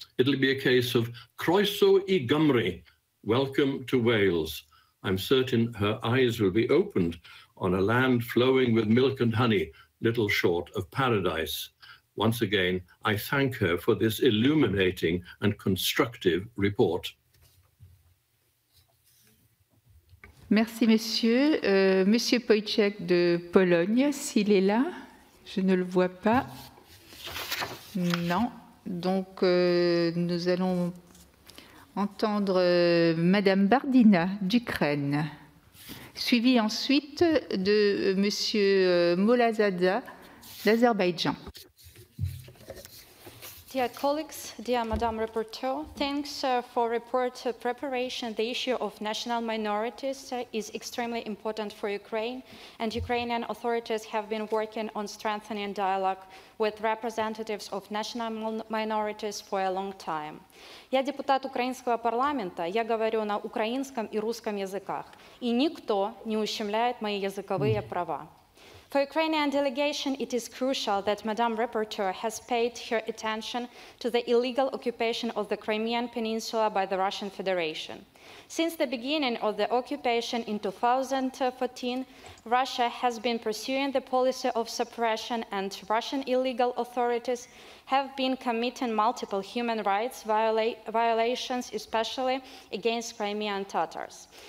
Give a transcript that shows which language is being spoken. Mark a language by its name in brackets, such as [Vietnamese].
[English] It'll be a case of [Welsh] croeso I Gymru, [English] welcome to Wales. I'm certain her eyes will be opened on a land flowing with milk and honey, little short of paradise. Once again, I thank her for this illuminating and constructive report. [French] Merci, monsieur. Monsieur Pojciech de Pologne, s'il est là, je ne le vois pas. Non. Donc, nous allons entendre Madame Bardina, d'Ukraine, suivie ensuite de Monsieur Molazada, d'Azerbaïdjan. [English] Dear colleagues, dear Madame Rapporteur, thanks for report preparation. The issue of national minorities is extremely important for Ukraine, and Ukrainian authorities have been working on strengthening dialogue with representatives of national minorities for a long time. [Ukrainian] Я депутат українського парламенту, я говорю на українському і русском язиках, і ніхто не ущемляє мої язикові права. [English] For Ukrainian delegation, it is crucial that Madame Rapporteur has paid her attention to the illegal occupation of the Crimean Peninsula by the Russian Federation. Since the beginning of the occupation in 2014, Russia has been pursuing the policy of suppression, and Russian illegal authorities have been committing multiple human rights violations, especially against Crimean Tatars.